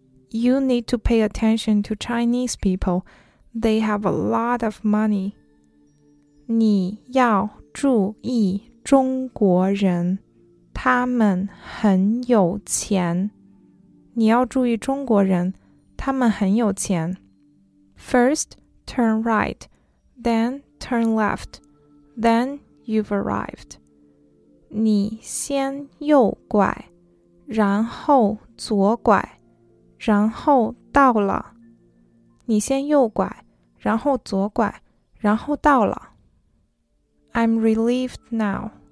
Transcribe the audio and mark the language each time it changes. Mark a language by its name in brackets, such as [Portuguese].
[English] You need to pay attention to Chinese people. They have a lot of money. [Chinese] 你要注意中国人，他们很有钱。你要注意中国人，他们很有钱。 [English] First, turn right, then turn left, then you've arrived. [Chinese] 你先右拐，然后左拐，然后到了。你先右拐，然后左拐，然后到了。 [English] I'm relieved now.